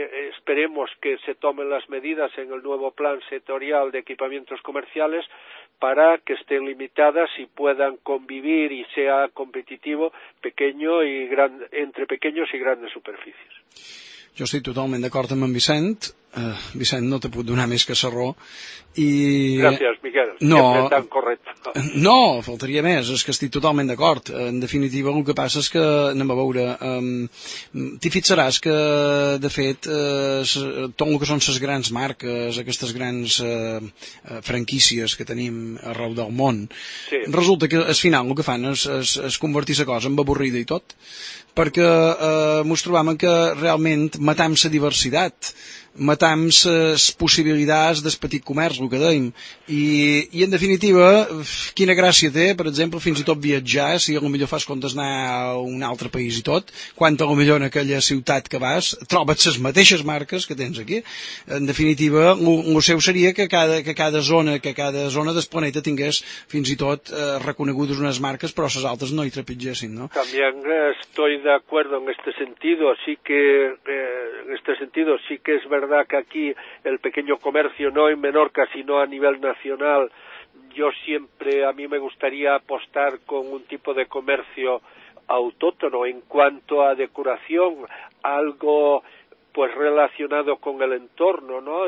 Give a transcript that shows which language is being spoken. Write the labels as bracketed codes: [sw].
[es] Esperemos que se tomen las medidas en el nuevo plan sectorial de equipamientos comerciales para que estén limitadas y puedan convivir y sea competitivo pequeño y gran, entre pequeños y grandes superficies. [ca] Jo estic totalment d'acord amb en Vicent. Vicent, no te puc donar més que sa raó. I gràcies, Miquel. No, tan correcte. No, faltaria més. És que estic totalment d'acord. En definitiva, el que passa és que, anem a veure, t'hi fixaràs que, de fet, tot el que són ses grans marques, aquestes grans franquícies que tenim arreu del món, sí, resulta que, al final, el que fan és convertir la cosa en avorrida i tot, perquè ens trobem que realment matem la diversitat, dilatant les possibilitats del petit comerç, el que dèiem. I en definitiva, quina gràcia té, per exemple, fins i tot viatjar, si a lo millor fas comptes anar a un altre país i tot, quan a lo millor en aquella ciutat que vas trobes les mateixes marques que tens aquí. En definitiva, el seu seria que cada zona del planeta tingués fins i tot reconegudes unes marques, però les altres no hi trepitgessin, no? També [es] estoy de acuerdo en este sentido, así que en este sentido sí que es verdad que aquí el pequeño comercio, no en Menorca sino a nivel nacional, yo siempre, a mí me gustaría apostar con un tipo de comercio autóctono en cuanto a decoración, algo pues relacionado con el entorno, ¿no?